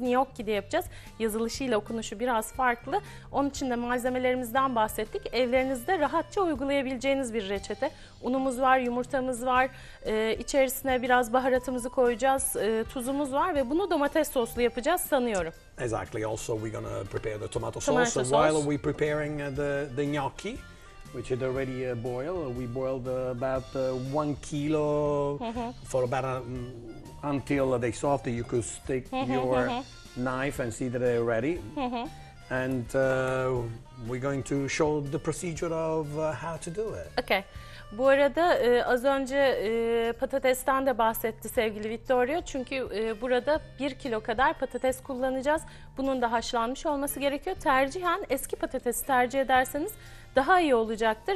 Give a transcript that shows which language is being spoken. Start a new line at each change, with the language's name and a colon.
Turkish: Gnocchi de yapacağız. Yazılışıyla okunuşu biraz farklı. Onun için de malzemelerimizden bahsettik. Evlerinizde rahatça uygulayabileceğiniz bir reçete. Unumuz var, yumurtamız var. İçerisine biraz baharatımızı koyacağız. Tuzumuz var ve bunu domates soslu yapacağız sanıyorum.
English: Exactly. Also, we're going to prepare the tomato sauce. So while we're preparing the gnocchi, which is already boiled, we boiled about 1 kilo for about until they soft. You could stick your knife and see that they're ready. And we're going to show the procedure of how to do it. Okay.
Turkish: Bu arada az önce patatesten de bahsetti sevgili Vittorio. Çünkü burada 1 kilo kadar patates kullanacağız. Bunun da haşlanmış olması gerekiyor. Tercihen eski patatesi tercih ederseniz daha iyi olacaktır.